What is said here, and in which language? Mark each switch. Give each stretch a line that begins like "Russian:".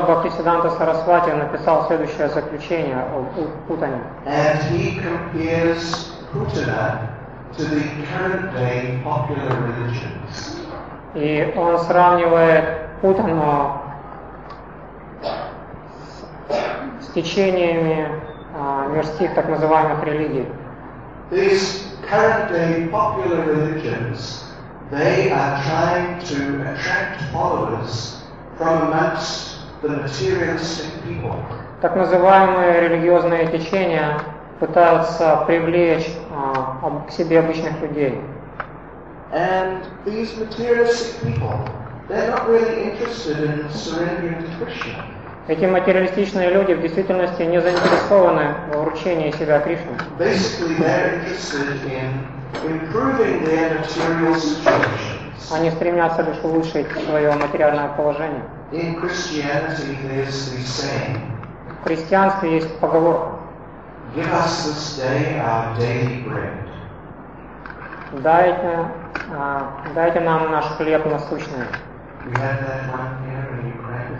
Russian: Бхактисиддханта Сарасвати написал следующее заключение о Путане.
English: And he compares Putana to the current day popular religions.
Russian: И он сравнивает Путану течениями мирских так называемых религий.
English: These current-day popular religions, they are trying to attract followers from amongst the materialistic people.
Russian: Так называемые религиозные течения пытаются привлечь к себе обычных людей.
English: And these materialistic people, they're not really interested in surrendering to Krishna.
Russian: Эти материалистичные люди в действительности не заинтересованы в вручении себя Кришне.
English: Basically, they're interested in improving their material situations.
Russian: Они стремятся лишь улучшить свое материальное положение.
English: In Christianity, there's the saying.
Russian: В христианстве есть поговорка.
English: Give us this day our daily bread.
Russian: Дайте нам наш хлеб насущный.
English: You have that one here in your prayer.